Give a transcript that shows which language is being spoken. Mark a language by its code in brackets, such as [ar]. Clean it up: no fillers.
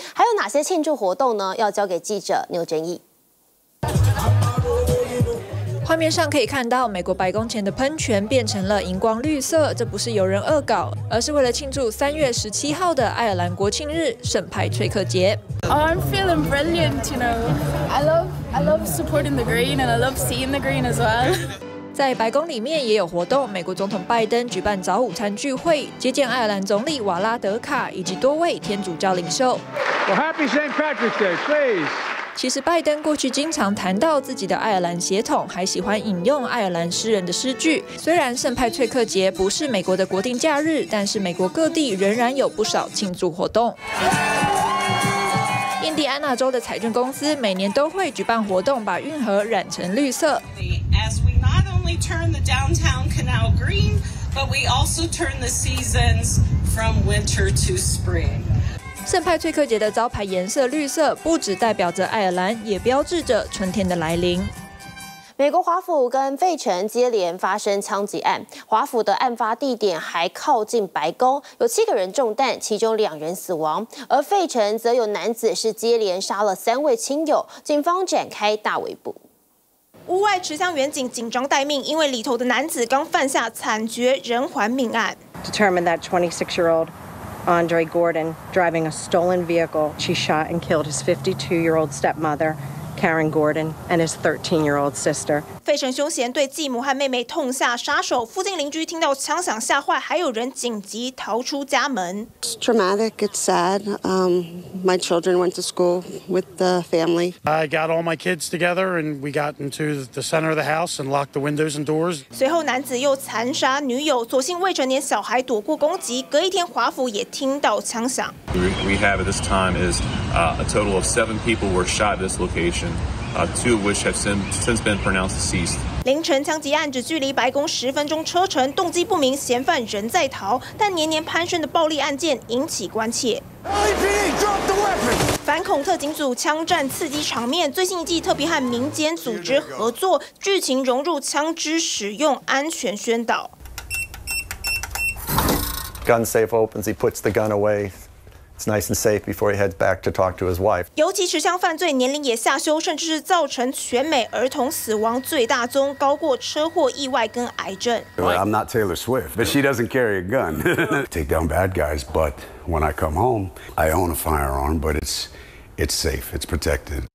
[zh] 还有哪些庆祝活动呢？要交给记者牛真义。画面上可以看到，美国白宫前的喷泉变成了荧光绿色，这不是有人恶搞，而是为了庆祝3月17号的爱尔兰国庆日——圣派翠克节。 [en] I'm feeling brilliant, you know. I love supporting the green, and I love seeing the green as well. [zh] 在白宫里面也有活动，美国总统拜登举办早午餐聚会，接见爱尔兰总理瓦拉德卡以及多位天主教领袖。 [en] Well, Happy St. Patrick's Day, please. [zh] 其实拜登过去经常谈到自己的爱尔兰血统，还喜欢引用爱尔兰诗人的诗句。虽然圣派翠克节不是美国的国定假日，但是美国各地仍然有不少庆祝活动。印第安纳州的彩券公司每年都会举办活动，把运河染成绿色。 [en] As we not only turn the downtown canal green, but we also turn the seasons from winter to spring. [zh] 圣派翠克节的招牌颜色绿色，不只代表着爱尔兰，也标志着春天的来临。美国华府跟费城接连发生枪击案，华府的案发地点还靠近白宫，有七个人中弹，其中两人死亡，而费城则有男子是接连杀了三位亲友，警方展开大围捕。屋外持枪远警紧张待命，因为里头的男子刚犯下惨绝人寰命案。 [en] Determined that 26-year-old Andre Gordon driving a stolen vehicle, she shot and killed his 52-year-old stepmother. Karen Gordon and his 13-year-old sister. [zh] 费城凶嫌对继母和妹妹痛下杀手，附近邻居听到枪响吓坏，还有人紧急逃出家门。 [en] It's traumatic. It's sad. My children went to school with the family. I got all my kids together and we got into the center of the house and locked the windows and doors. [zh] 随后男子又残杀女友，所幸未成年小孩躲过攻击。隔一天，华府也听到枪响。 [en] We have at this time is a total of 7 people were shot at this location. Two of which have since been pronounced deceased. [zh] 凌晨枪击案只距离白宫十分钟车程，动机不明，嫌犯仍在逃，但年年攀升的暴力案件引起关切。反恐特警组枪战刺激场面，最新一季特别和民间组织合作，剧情融入枪支使用安全宣导。 [en] Gun safe opens. He puts the gun away. It's nice and safe before he heads back to talk to his wife. [zh] 尤其持枪犯罪年龄也下修，甚至是造成全美儿童死亡最大宗，高过车祸、意外跟癌症。 [en] I'm not Taylor Swift, but she doesn't carry a gun. Take down bad guys, but when I come home, I own a firearm, but it's safe, it's protected.